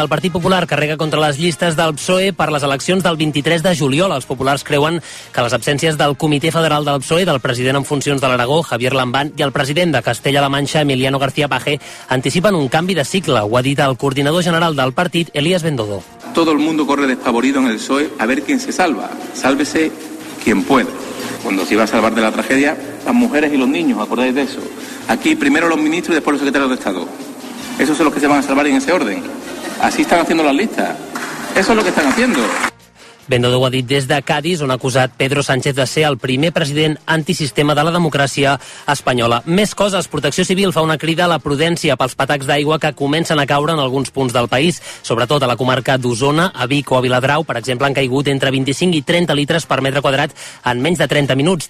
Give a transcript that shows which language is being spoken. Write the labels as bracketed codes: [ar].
[ca] El Partit Popular carrega contra les llistes del PSOE per les eleccions del 23 de juliol. Els populars creuen que les absències del Comitè Federal del PSOE, del president en funcions de l'Aragó, Javier Lambán, i el president de Castella-La Mancha, Emiliano García Page, anticipen un canvi de cicle, ho ha dit el coordinador general del partit, Elías Bendodo. [es] Todo el mundo corre despavorido en el PSOE a ver quién se salva. Sálvese quien pueda. Cuando se iba a salvar de la tragedia, las mujeres y los niños, ¿acordáis de eso? Aquí primero los ministros y después los secretarios de Estado. Esos son los que se van a salvar en ese orden. Así están haciendo las listas. Eso es lo que están haciendo. [ca] Bendodo ho ha dit des de Cádiz, on ha acusat Pedro Sánchez de ser el primer president antisistema de la democràcia espanyola. Més coses. Protecció Civil fa una crida a la prudència pels patacs d'aigua que comencen a caure en alguns punts del país, sobretot a la comarca d'Osona, a Vic o a Viladrau. Per exemple, han caigut entre 25 i 30 litres per metre quadrat en menys de 30 minuts.